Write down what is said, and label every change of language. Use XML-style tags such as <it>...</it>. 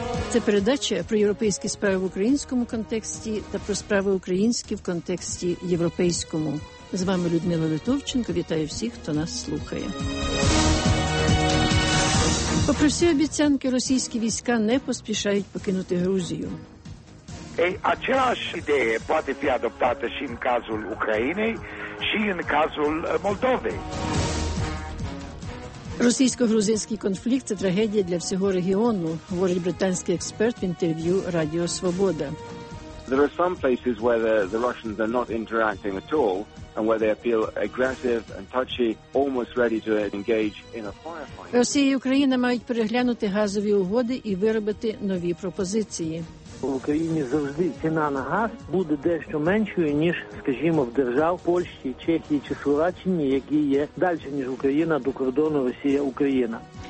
<uk>Це передача про європейські справи в українському контексті та про справи українські в контексті європейському. З вами Людмила Литовченко. Вітаю всіх, хто нас слухає. Попри всі обіцянки, російські війська не поспішають покинути Грузію.</uk> <ro>Același idee poate fi adoptată și în cazul Ucrainei și în cazul Moldovei.</ro> <uk>Російсько-грузинський конфлікт – це трагедія для всього регіону, говорить британський експерт в інтерв'ю Радіо Свобода.</uk> <en>There are some places where the Russians are not interacting at all and where they feel aggressive and touchy, almost ready to engage in a firefight.</en> <uk>Росія і Україна мають переглянути газові угоди і виробити нові пропозиції. В Україні завжди ціна на газ буде дещо меншою, ніж, скажімо, в держав Польщі, Чехії чи Словаччині, які є далі, ніж Україна, до кордону Росія-Україна.</uk>